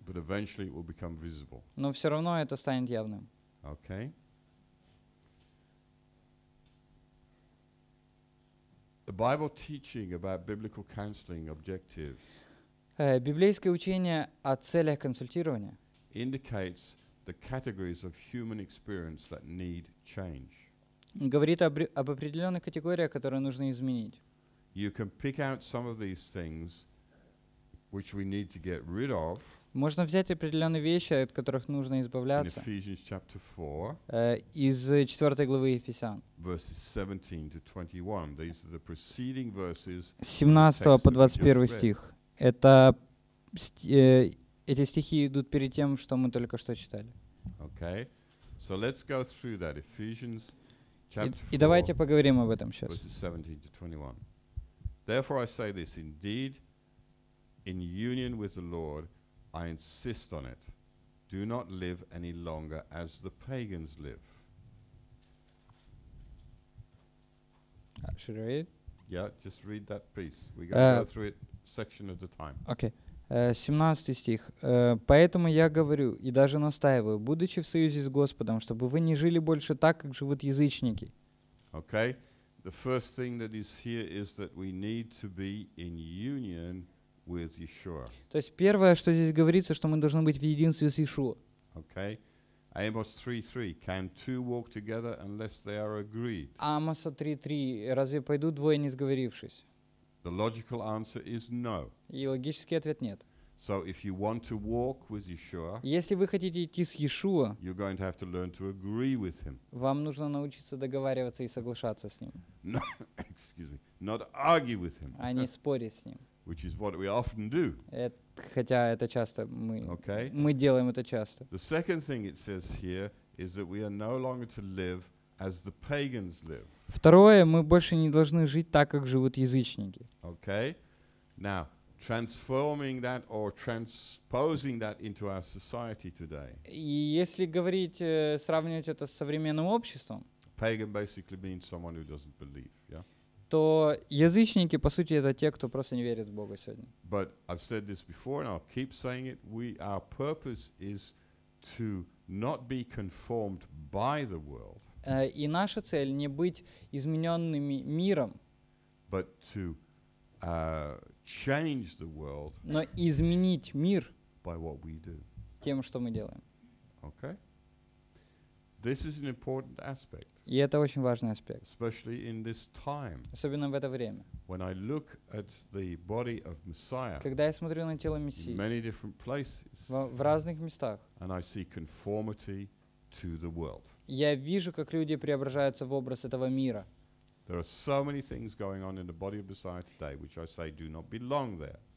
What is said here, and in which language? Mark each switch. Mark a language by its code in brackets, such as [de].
[en] But eventually it will become visible. [ru] Но все равно это станет явным. [en] Okay. The Bible teaching about biblical counseling objectives. [ru] Библейское учение о целях консультирования [en] indicates the categories of human experience that need change. [ru] Говорит об определенных категориях, которые нужно изменить. [en] You can pick out some of these things which we need to get rid of. [ru] Можно взять определенные вещи, от которых нужно избавляться. [en] In Ephesians chapter 4, [ru] из 4 главы Ефесян. [en] Verses 17 to 21. These are the preceding verses. [ru] 17 по 21 стих. Это эти стихи идут перед тем, что мы только что читали. [en] Okay. So let's go through that. Ephesians chapter 4. [ru] И давайте поговорим об этом сейчас. [en] Verses 17 to 21. Therefore I say this, indeed, in union with the Lord, I insist on it. Do not live any longer as the pagans live. Should I read? Yeah, just read that piece. We're going to go through it section at a time. [ru] Okay. 17 стих. «Поэтому я говорю и даже настаиваю, будучи в союзе с Господом, чтобы вы не жили больше так, как живут язычники». [en] Okay. The first thing that is here is that we need to be in union with Yeshua. [ru] То есть первое, что здесь говорится, что мы должны быть в единстве с Иешуа. [en] Okay. Amos 3:3. Can two walk together unless they are agreed? [ru] Амоса 3:3. Разве пойдут двое, не сговорившись? [en] The logical answer is no. [ru] И логический ответ нет. [en] So if you want to walk with Yeshua, [ru] если вы хотите идти с Иешуа, [en] you're going to have to learn to agree with him. [ru] Вам нужно научиться договариваться и соглашаться с ним. [en] No, excuse me. Not argue with him. [ru] А не спорить с ним. [en] Which is what we often do. [ru] Хотя это часто мы, okay. Мы делаем это часто. [en] The second thing it says here is that we are no longer to live as the pagans live. [ru] Второе, мы больше не должны жить так, как живут язычники. [en] Okay. Now, transforming that or transposing that into our society today. [ru] И если говорить, сравнивать это с современным обществом. [en] Pagan basically means someone who doesn't believe, yeah? [ru] То язычники, по сути, это те, кто просто не верит в Бога сегодня. [en] But I've said this before and I'll keep saying it. Our purpose is to not be conformed by the world. [ru] И наша цель не быть измененными миром. [en] But to change the world. [ru] Но изменить мир. [en] By what we do. [ru] Тем, что мы делаем. [en] Okay. This is an important aspect. [ru] И это очень важный аспект. [en] Especially in this time. [ru] Особенно в это время. [en] When I look at the body of Messiah. [ru] Когда я смотрю на тело Мессии. [en] In many different places. [ru] В разных местах. [en] And I see conformity to the world. [ru] Я вижу, как люди преображаются в образ этого мира. [en] There are so many things going on in the body of Messiah today, which I say do not belong there.